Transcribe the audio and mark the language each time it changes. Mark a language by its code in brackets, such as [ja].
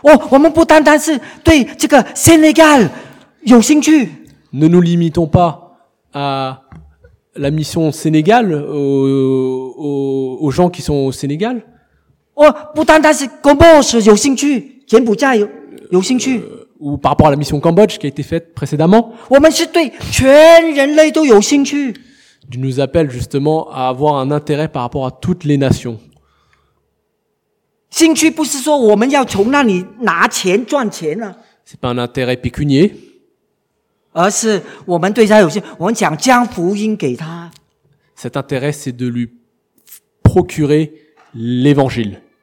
[zh] 我们不单单是对这个Sénégal有兴趣。 [fr] Ne nous limitons pas à la mission Sénégal, aux gens qui sont au Sénégal. [zh] 哦，不单单是Cambodge有兴趣，柬埔寨有兴�u. [fr] Ou par rapport à la mission Cambodge qui a été faite précédemment. [zh] 我们是对全人类都有兴趣. [fr] Dieu nous appelle justement à avoir un intérêt par rapport à toutes les nations. [zh] 兴趣不是说我们要从那里拿钱赚钱啊. [fr] C'est pas un intérêt pécunier. [zh] 而是我们对他有兴趣，我们想将福音给他。 [fr] Cet intérêt, c'est de lui procurer l'évangile.